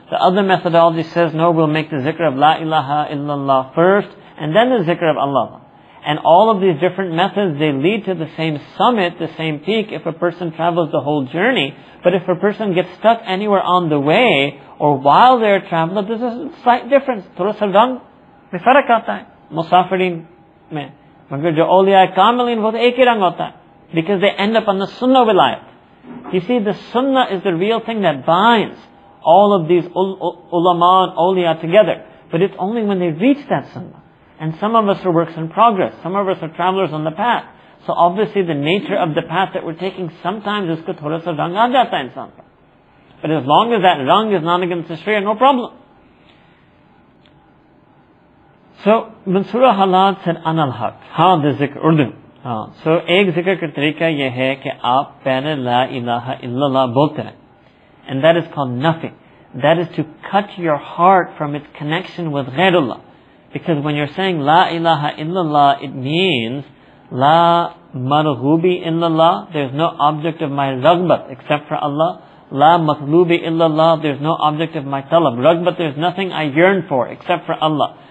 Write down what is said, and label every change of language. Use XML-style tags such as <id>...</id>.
<en>The other methodology says no, we'll make the zikr of la ilaha illallah first, and then the zikr of Allah. And all of these different methods, they lead to the same summit, the same peak, if a person travels the whole journey. But if a person gets stuck anywhere on the way, or while they're traveling, there's a slight difference.</en> <ur>تھوڑا سا رنگ میں فرق آتا ہے۔ مسافرین میں۔ مگر جو اولیا ہے کاملین، وہ ایک ہی رنگ ہوتا ہے۔</ur> <en>Because they end up on the sunnah wilayat. You see, the sunnah is the real thing that binds all of these ulama and awliya together. But it's only when they reach that sunnah. And some of us are works in progress. Some of us are travelers on the path. So obviously the nature of the path that we're taking, sometimes is</en> <ur>ka thoda sa rang aa jata hai insaan par.</ur> <en>But as long as that rang is not against the Sharia, no problem. So, Mansur al-Hadad said, Anal Haq. Ha, the zikr, Urdu.</en> <ur>So, ایک ذکر کا طریقہ یہ ہے، کے آپ پہلے لا الٰہ الا اللہ بولتے رہے۔</ur> <en>And that is called nafi. That is to cut your heart from its connection with ghairullah. Because when you're saying La ilaha illallah, it means</en> <ar>La marghubi illallah,</ar> <en>there's no object of my ragbat except for Allah.</en> <ar>La matlubi illallah,</ar> <en>there's no object of my talab. Ragbat, there's nothing I yearn for except for Allah.</en>